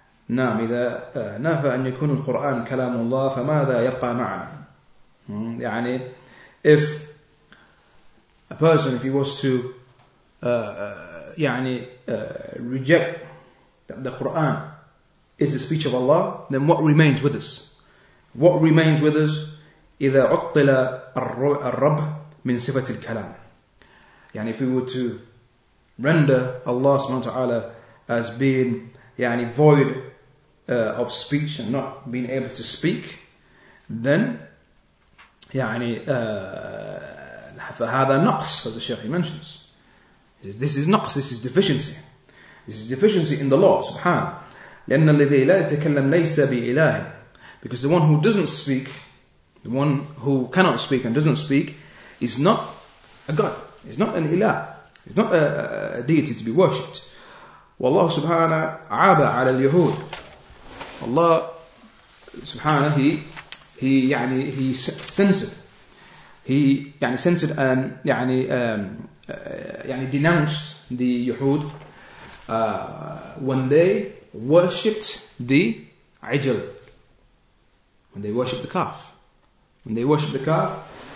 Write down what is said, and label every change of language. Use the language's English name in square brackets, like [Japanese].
[Arabic] نعم إذا نفى أن يكون القرآن كلام الله فماذا يبقى معنا. [English] يعني if a person, if he was to reject that the Quran is the speech of Allah, then what remains with us? What remains with us? [Arabic] إذا عطل الرب من صفة الكلام. [English] يعني if we were to render Allah subhanahu wa ta'ala as being يعني void of speech and not being able to speak, then يعني [Arabic] فهذا نقص, [English] as the Shaykh mentions. This is نقص, this is deficiency. This is deficiency in the law, subhanahu. [Arabic] لأن الذي لا يتكلم ليس بإله. [English] Because the one who doesn't speak, the one who cannot speak and doesn't speak, is not a God. He's not an ilah. He's not a deity to be worshipped. [Arabic] والله سبحانه عاب على اليهود. [English] Allah subhanahu, he censored and denounced the Yahud when they worshipped the ajal, when they worshipped the calf, when they worshipped the calf.